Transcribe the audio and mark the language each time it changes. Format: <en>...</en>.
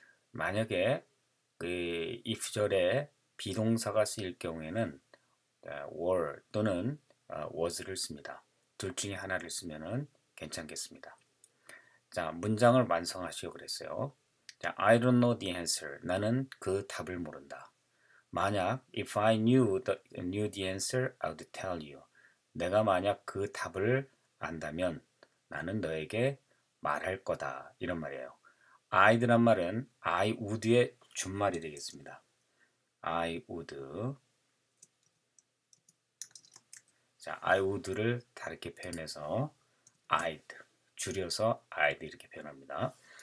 <ko>만약에 그 if절에 비동사가 쓰일 경우에는 were 또는 was를 씁니다. 둘 중에 하나를 쓰면은 괜찮겠습니다. 자, 문장을 완성하시오 그랬어요.</ko> <en>자, I don't know the answer.</en> <ko>나는 그 답을 모른다.</ko> <en>만약 if I knew the answer, I would tell you.</en> <ko>내가 만약 그 답을 안다면 나는 너에게 말할 거다. 이런 말이에요. I드란 말은 I would의 준말이 되겠습니다. I would. 자, I would를 다르게 표현해서 I'd, 줄여서 I'd 이렇게 표현합니다.</ko>